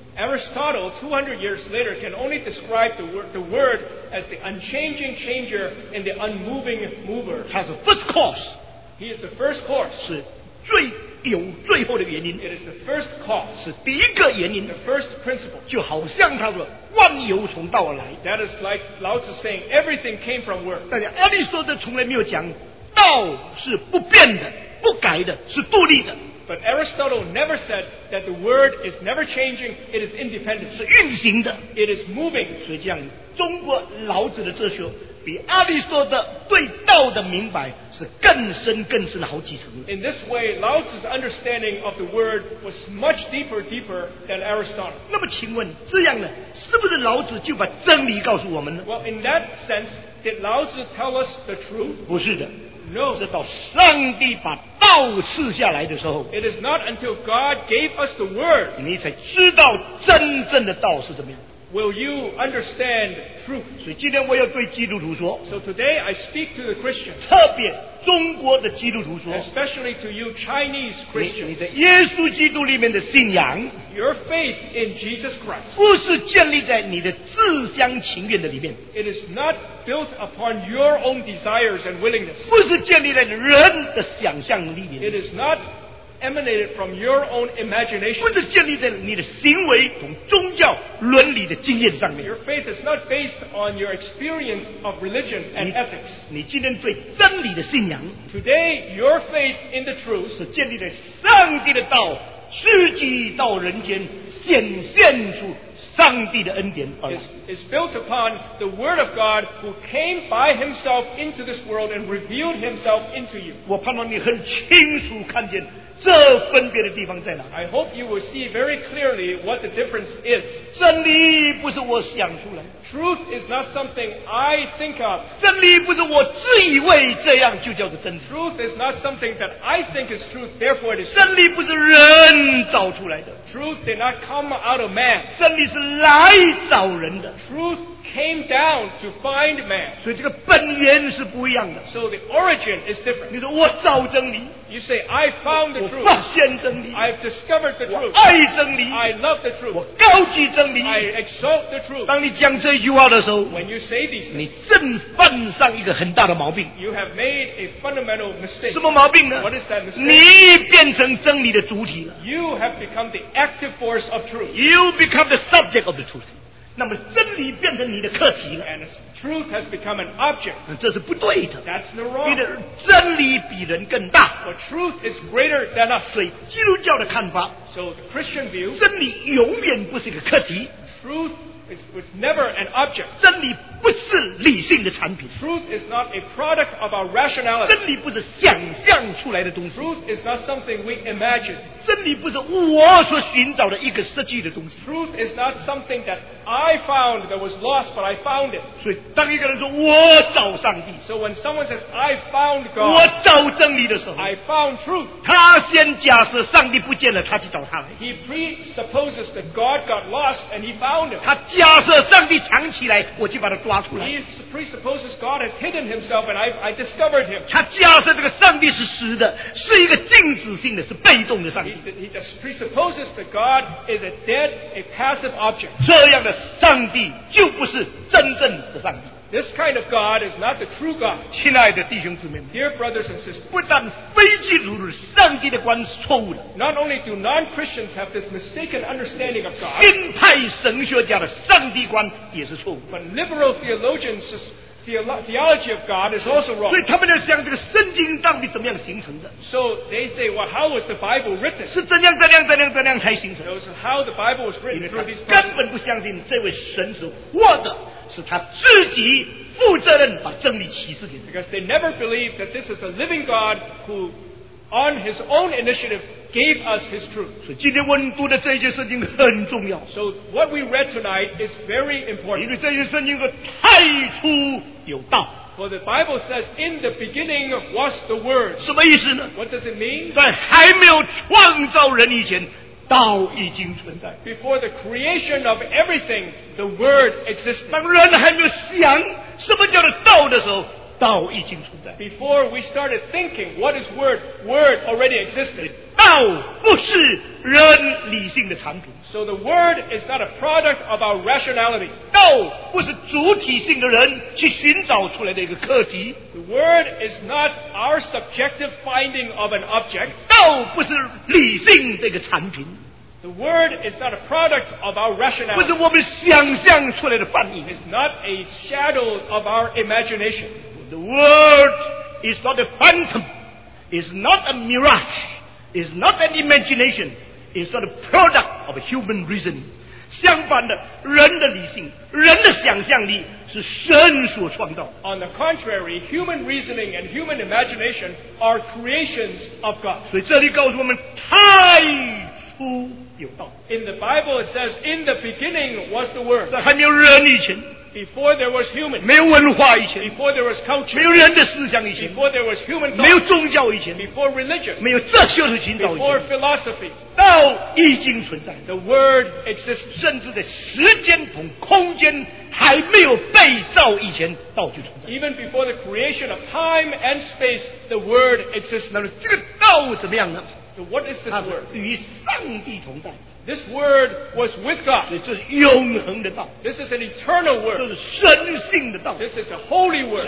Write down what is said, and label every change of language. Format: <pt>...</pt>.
<en>Aristotle, 200 years later, can only describe the word as the unchanging changer and the unmoving mover.</en> <zh>他是</zh> <en>first cause. He is the first cause.</en> <zh>是最有最后的原因。</zh> <en>It is the first cause.</en> <zh>是第一个原因。</zh> <en>The first principle.</en> <zh>就好像他说万有从道而来。</zh> <en>That is like Lao Tzu saying everything came from work.</en> <zh>但是阿里士多德从来没有讲道是不变的、不改的、是独立的。</zh> <en>But Aristotle never said that the word is never changing. It is independent.</en> <zh>是运行的。</zh> <en>It is moving.</en> <zh>所以这样，中国老子的哲学比阿里士多德对道的明白是更深、更深好几层。</zh> <en>In this way, Lao Tzu's understanding of the word was much deeper than Aristotle.</en> <zh>那么请问，这样呢，是不是老子就把真理告诉我们呢？</zh> <en>Well, in that sense, did Lao Tzu tell us the truth?</en> <zh>不是的。</zh> <en>No.</en> <zh>直到上帝把道赐下来的时候，</zh> <en>It is not until God gave us the word.</en> <zh>你才知道真正的道是怎么样。</zh> <en>Will you understand truth?</en> <zh>所以今天我要对基督徒说，</zh> <en>So today I speak to the Christians.</en> <zh>特别中国的基督徒说，</zh> <en>Especially to you Chinese Christians.</en> <zh>你的耶稣基督里面的信仰，</zh> <en>Your faith in Jesus Christ.</en> <zh>不是建立在你的自相情愿的里面，</zh> <en>It is not built upon your own desires and willingness.</en> <zh>不是建立在人的想象力里面，</zh> <en>It is not emanated from your own imagination.</en> <zh>不是建立在你的行为同宗教伦理的经验上面。</zh> <en>Your faith is not based on your experience of religion and ethics.</en> <zh>你今天对真理的信仰，</zh> <en>Today, your faith in the truth</en> <zh>是建立在上帝的道实际到人间显现出上帝的恩典而来。</zh> <en>Is built upon the word of God who came by himself into this world and revealed himself into you.</en> <zh>我盼望你很清楚看见这分别的地方在哪？</zh> <en>I hope you will see very clearly what the difference is.</en> <zh>真理不是我想出来。</zh> <en>Truth is not something I think of.</en> <zh>真理不是我自以为这样就叫做真理。</zh> <en>Truth is not something that I think is truth, therefore it is truth.</en> <zh>真理不是人找出来的。</zh> <en>Truth did not come out of man.</en> <zh>真理是来找人的。</zh> <en>Truth came down to find man.</en> <zh>所以这个本源是不一样的。</zh> <en>So the origin is different.</en> <zh>你说我找真理。</zh> <en>You say, I found the truth.</en> <zh>我发现真理。</zh> <en>I've discovered the truth.</en> <zh>我爱真理。</zh> <en>I love the truth.</en> <zh>我高举真理。</zh> <en>I exalt the truth.</en> <zh>当你讲这句话的时候，</zh> <en>When you say these things,</en> <zh>你正犯上一个很大的毛病。</zh> <en>You have made a fundamental mistake.</en> <zh>什么毛病呢？</zh> <en>What is that mistake?</en> <zh>你变成真理的主体了。</zh> <en>You have become the active force of truth. You become the subject of the truth.</en> <zh>那么真理变成你的课题了。</zh> <en>And truth has become an object.</en> <zh>这是不对的。</zh> <en>That's the wrong.</en> <zh>你的真理比人更大。</zh> <en>But truth is greater than us.</en> <zh>所以基督教的看法，</zh> <en>So the Christian view,</en> <zh>真理永远不是一个课题。</zh> <en>Truth is never an object.</en> <zh>真理不是理性的产品。</zh> <en>Truth is not a product of our rationality.</en> <zh>真理不是想象出来的东西。</zh> <en>Truth is not something we imagine.</en> <zh>真理不是我所寻找的一个实际的东西。</zh> <en>Truth is not something that I found that was lost, but I found it.</en> <zh>所以当一个人说我找上帝，</zh> <en>so when someone says I found God,</en> <zh>我找真理的时候，</zh> <en>I found truth.</en> <zh>他先假设上帝不见了，他去找他来。</zh> <en>He presupposes that God got lost and he found him.</en> <zh>他假设上帝藏起来，我去把他抓出来。</zh> <en>He presupposes God has hidden himself and I discovered him.</en> <zh>他假设这个上帝是实的，是一个静止性的，是被动的上帝。</zh> <en>He just presupposes that God is a dead, a passive object.</en> <zh>这样的上帝就不是真正的上帝。</zh> <en>This kind of God is not the true God.</en> <zh>亲爱的弟兄姊妹们，</zh> <en>Dear brothers and sisters,</en> <zh>不但非基督徒，上帝的观是错误的。</zh> <en>Not only do non-Christians have this mistaken understanding of God,</en> <zh>新派神学家的上帝观也是错误的。</zh> <en>But liberal theologians'theology of God is also wrong.</en> <zh>所以他们在想这个圣经到底怎么样形成的。</zh> <en>So they say, well, how was the Bible written?</en> <zh>是怎样怎样怎样怎样才形成的。</zh> <en>So how the Bible was written through these books.</en> <zh>根本不相信这位神是活的。是他自己负责任把真理启示给你。</zh> <en>Because they never believed that this is a living God who, on his own initiative, gave us his truth.</en> <zh>所以今天我们读的这些圣经很重要。</zh> <en>So what we read tonight is very important.</en> <zh>因为这些圣经是太初有道。</zh> <en>For the Bible says, in the beginning was the Word.</en> <zh>什么意思呢？</zh> <en>What does it mean?</en> <zh>在还没有创造人以前，道已经存在。</zh> <en>Before the creation of everything, the word existed.</en> <zh>当人还没有想什么叫做道的时候，道已经存在。</zh> <en>Before we started thinking, what is word? Word already existed.</en> <zh>道不是人理性的产品。</zh> <en>So the word is not a product of our rationality.</en> <zh>道不是主体性的人去寻找出来的一个课题。</zh> <en>The word is not our subjective finding of an object.</en> <zh>道不是理性的一个产品。</zh> <en>The word is not a product of our rationality.</en> <zh>不是我们想象出来的反应。</zh> <en>It's not a shadow of our imagination. The word is not a phantom. It's not a mirage. It's not an imagination. It's not a product of human reason.</en> <zh>相反的，人的理性，人的想象力是神所创造。</zh> <en>On the contrary, human reasoning and human imagination are creations of God.</en> <zh>所以这里告诉我们，太初有道。</zh> <en>In the Bible it says, in the beginning was the Word.</en> <zh>在还没有人以前。</zh> <en>Before there was human.</en> <zh>没有文化以前。</zh> <en>Before there was culture.</en> <zh>没有人的思想以前。</zh> <en>Before there was human thought.</en> <zh>没有宗教以前。</zh> <en>Before religion.</en> <zh>没有哲学的寻找以前。</zh> <en>Before philosophy.</en> <zh>道已经存在。</zh> <en>The word exists.</en> <zh>甚至在时间和空间还没有被造以前，道就存在。</zh> <en>Even before the creation of time and space, the word exists.</en> <zh>那么这个道怎么样呢？</zh> <en>So what is this word?</en> <zh>它是与上帝同在。</zh> <en>This word was with God.</en> <zh>这是永恒的道。</zh> <en>This is an eternal word.</en> <zh>这是神性的道。</zh> <en>This is the holy word.</en>